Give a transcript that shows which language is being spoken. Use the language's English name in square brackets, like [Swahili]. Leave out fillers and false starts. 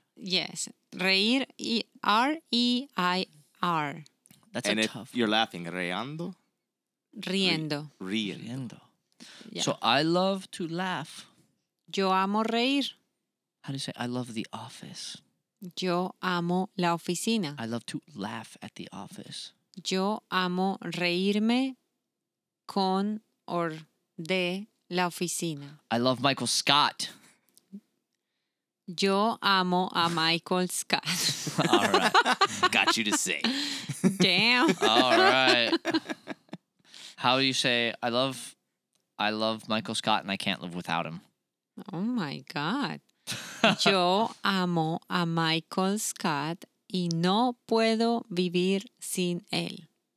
[English] Yes. Reír, R-E-I-R. That's and a tough one. You're laughing. Reando? [Spanish] Riendo. Riendo. [English] Yeah. So, I love to laugh. [Spanish] Yo amo reír. [English] How do you say? I love the office. [Spanish] Yo amo la oficina. [English] I love to laugh at the office. [Spanish] Yo amo reírme con or de la oficina. [English] I love Michael Scott. [Spanish] Yo amo a Michael Scott. [English] All right. Got you to say. Damn. All right. How do you say, I love Michael Scott and I can't live without him? Oh, my God. [Spanish] Yo amo a Michael Scott y no puedo vivir sin él.